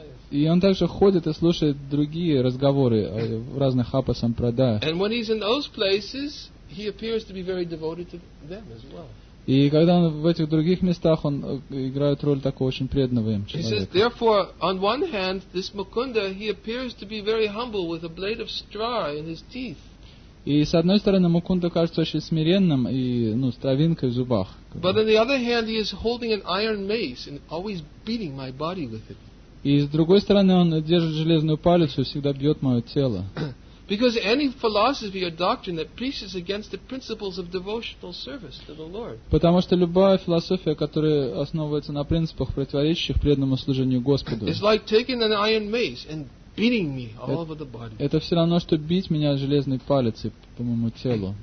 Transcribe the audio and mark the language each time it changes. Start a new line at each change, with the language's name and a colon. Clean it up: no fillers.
Russian: И он также ходит и слушает другие разговоры в разных апа сампрадаях.
English: And when he's in those places, he appears to be very devoted to them as well.
Russian: И когда он в этих других местах, он играет роль такого очень преданного им человека.
English: He says, therefore, on one hand, this Mukunda, he appears to be very humble with a blade of straw in his teeth.
Russian: И с одной стороны, Мукунда кажется очень смиренным и, с травинкой в зубах.
English: But on the other hand, he is holding an iron mace and always beating my body with it.
Russian: И с другой стороны, он держит железную палец и всегда бьет мое тело.
English: Because any philosophy or doctrine that preaches against the principles of devotional service to the Lord.
Russian: Потому что любая философия, которая основывается на принципах, противоречащих преданному служению Господу.
English: It's like taking an iron mace and beating me all over the body.
Russian: Это все равно, что бить меня железной палец по моему телу.